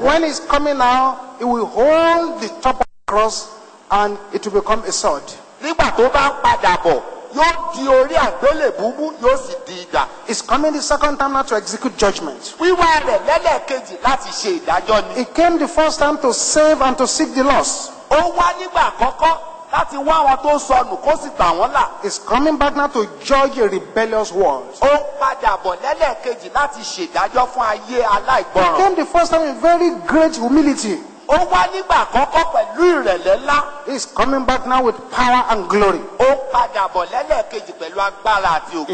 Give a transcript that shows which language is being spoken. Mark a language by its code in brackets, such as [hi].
[en] When he is coming now, he will hold the top of the cross. And it will become a sword. [yo] Nígbà tó bá ń padà bọ̀, yóò di orí àgbélébú mú, yóò sì di ìdá. [en] It's coming the second time now to execute judgment. [yo] Wíwá rẹ̀ lẹ́lẹ̀kejì láti ṣe ìdájọ́ ni. [en] It came the first time to save and to seek the lost. [yo] Ó wá nígbà àkọ́kọ́ láti wá àwọn tó sọnù kó sì gbà wọ́n là. [en] It's coming back now to judge a rebellious world. [yo] Ó padà bọ̀ lẹ́lẹ̀kejì láti ṣe ìdájọ́ fún ayé aláìgbọràn. [en] It came the first time in very great humility. [yo] Ó wá nígbà àkọ́kọ́ pẹ̀lú ìrẹ̀lẹ́ ńlá. [en] He is coming back now with power and glory. [yo] Ó padà bọ̀ lẹ́lẹ́kejì pẹ̀lú agbára àti ògo.